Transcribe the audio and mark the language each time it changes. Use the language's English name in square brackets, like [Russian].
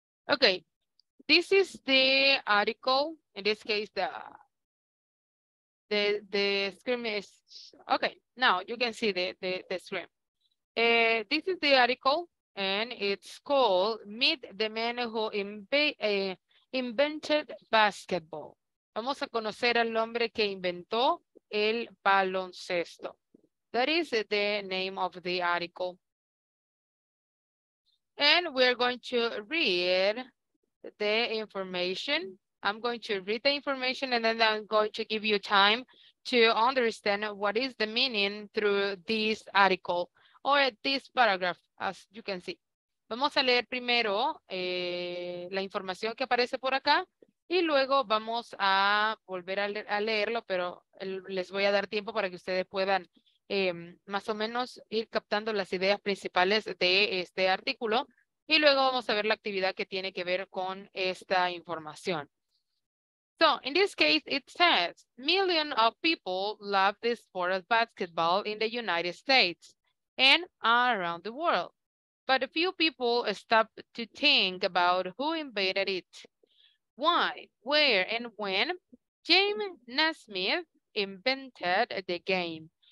[English] Okay, this is the article. In this case, the screen is okay. Now you can see the screen. This is the article, and it's called "Meet the Man Who Invented Basketball." [Spanish] Vamos a conocer al hombre que inventó el baloncesto. [English] That is the name of the article. And we're going to read the information. I'm going to read the information and then I'm going to give you time to understand what is the meaning through this article or this paragraph, as you can see. [Spanish] Vamos a leer primero la información que aparece por acá y luego vamos a volver a leerlo, pero les voy a dar tiempo para que ustedes puedan más o menos ir captando las ideas principales de este artículo y luego vamos a ver la actividad que tiene que ver con esta información. [English] So, in this case, it says, millions of people love the sport of basketball in the United States and around the world. But a few people stop to think about who invented it. Why, where, and when James Naismith invented the game.